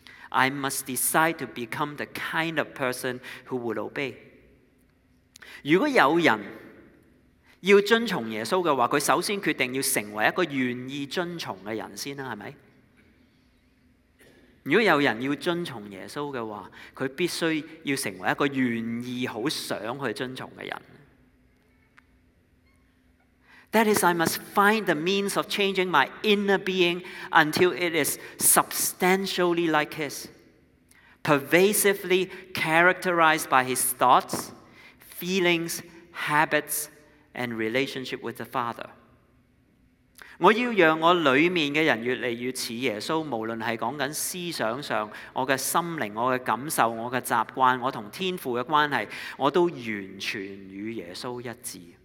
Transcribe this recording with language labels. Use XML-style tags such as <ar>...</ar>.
<en>I must decide to become the kind of person who would obey.</en> <zh>如果有人要遵从耶稣的话，他首先决定要成为一个愿意遵从的人先，是吧？如果有人要遵从耶稣的话，他必须要成为一个愿意很想去遵从的人。</zh> <en>That is, I must find the means of changing my inner being until it is substantially like his, pervasively characterized by his thoughts, feelings, habits, and relationship with the Father.</en> <zh>我要让我里面的人越来越似耶稣，无论是讲紧思想上，我的心灵，我的感受，我的习惯，我同天父的关系，我都完全与耶稣一致。</zh>